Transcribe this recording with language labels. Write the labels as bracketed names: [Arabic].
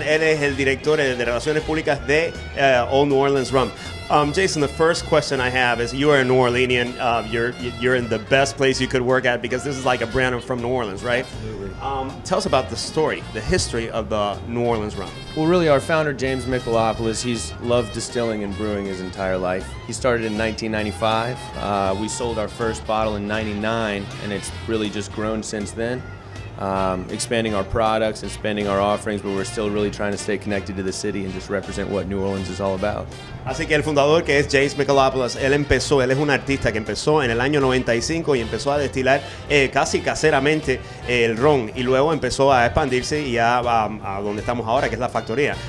[Spanish] Él es el director de Relaciones Públicas de Old New Orleans Rum. [English] Jason, the first question I have is, you are a New Orleanian. You're in the best place you could work at because this is like a brand from New Orleans, right? Absolutely. Tell us about the story, the history of the New Orleans Rum. Well, really, our founder, James Michalopoulos, he's loved distilling and brewing his entire life. He started in 1995. We sold our first bottle in 99, and it's really just grown since then. Expanding our products, expanding our offerings, but we're still really trying to stay connected to the city and just represent what New Orleans is all about. [Spanish] Así que el fundador, que es James Michalopoulos, él es un artista que empezó en el año 95 y empezó a destilar casi caseramente el ron, y luego empezó a expandirse y ya va a donde estamos ahora, que es la factoría.